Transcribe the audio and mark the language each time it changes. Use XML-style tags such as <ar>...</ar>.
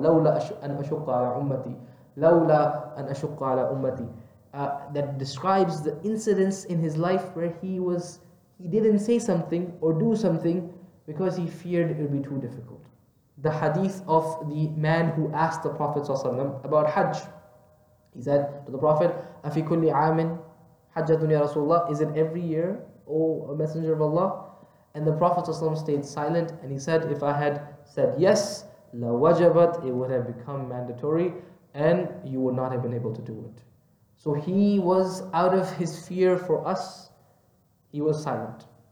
<ar>لَوْلَا أَنْ أَشُقَّ عَلَىٰ أُمَّتِي. لَوْلَا أَنْ أَشُقَّ عَلَىٰ أُمَّتِي.</ar> <en>That describes the incidents in his life where he didn't say something or do something because he feared it would be too difficult. The hadith of the man who asked the Prophet ﷺ about Hajj. He said to the Prophet,</en> <ar>أَفِي كُلِّ عَامٍ حَجَّةٌ يَا رَسُولَ اللَّهِ.</ar> <en>Is it every year, O Messenger of Allah? And the Prophet ﷺ stayed silent and he said, if I had said yes,</en> <ar>لَوَجَبَتْ,</ar> <en>it would have become mandatory and you would not have been able to do it. So he was out of his fear for us, he was silent.</en>